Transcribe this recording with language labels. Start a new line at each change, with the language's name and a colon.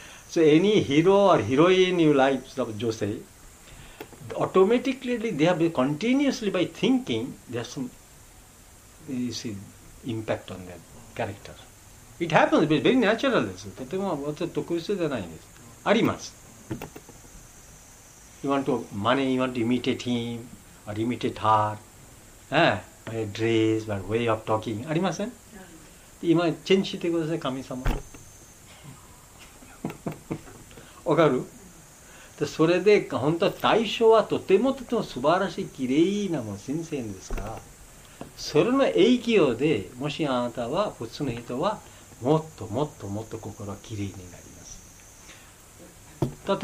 English: So any hero or heroine you like, some 女性、automatically they have continuously by thinking there's some you see impact on their character. It happens, but very natural です。
Japanese: とても私は特殊じゃないです。あります。
English: You want to money, you want to imitate him or imitate her, by dress, by way of talking.
Japanese: ありません。今チェンジしてください、神様。わかる？でそれで本当は対象はとてもとても素晴らしい綺麗なもの先生ですから、それの影響でもしあなたは普通の人はもっともっともっと心が綺麗になります。